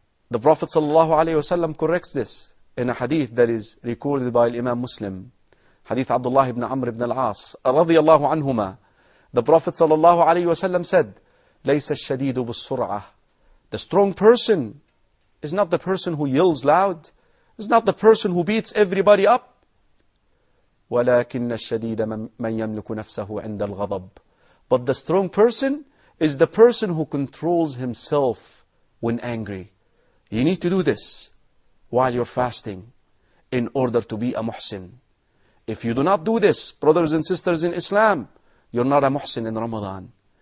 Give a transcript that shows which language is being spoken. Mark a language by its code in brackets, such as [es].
[en] The Prophet sallallahu alayhi wa sallam corrects this in a hadith that is recorded by Imam Muslim, hadith Abdullah ibn Amr ibn al-As radiyallahu anhuma. The Prophet sallallahu alayhi wa sallam said, [ar] "Laysa ash-shadidu bis-sur'ah." [en] The strong person is not the person who yells loud, is not the person who beats everybody up. [ar] ولكن الشديد من يملك نفسه عند الغضب. [en] But the strong person is the person who controls himself when angry. You need to do this while you're fasting in order to be a muhsin. If you do not do this, brothers and sisters in Islam, you're not a muhsin in Ramadan.